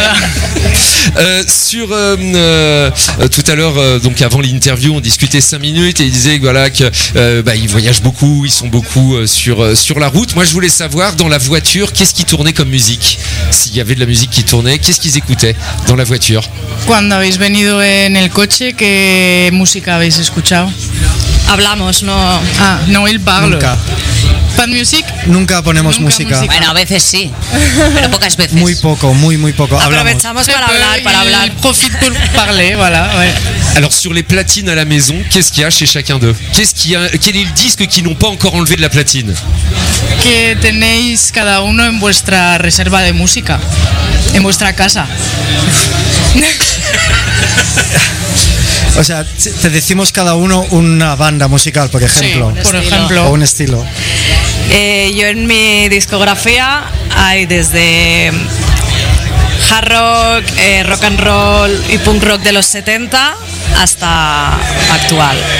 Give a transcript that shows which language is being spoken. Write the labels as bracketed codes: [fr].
[fr] Ouais, voilà. Tout à l'heure, donc avant l'interview, on discutait 5 minutes et il disait voilà, qu'ils voyagent beaucoup, ils sont beaucoup sur la route. Moi, je voulais savoir, dans la voiture, qu'est-ce qui tournait comme musique? S'il y avait de la musique qui tournait, qu'est-ce qu'ils écoutaient dans la voiture? [es] Cuando habéis venido en el coche, ¿qué música habéis escuchado? Hablamos, no. Ah, no, [fr] él parle. [es] Nunca. ¿Pan music? Nunca ponemos música. Bueno, a veces sí, pero pocas veces. Muy poco, muy, muy poco. Aprovechamos hablamos. para hablar. [fr] Il profite pour parler, voilà. Ouais. Alors, sur les platines à la maison, qu'est-ce qu'il y a chez chacun d'eux? Quel est le disque qu'ils n'ont pas encore enlevé de la platine? [es] Que tenéis cada uno en vuestra reserva de música, en vuestra casa. O sea, te decimos cada uno una banda musical, por ejemplo. Sí, por ejemplo. O un estilo. Yo en mi discografía hay desde hard rock, rock and roll y punk rock de los 70 hasta actual.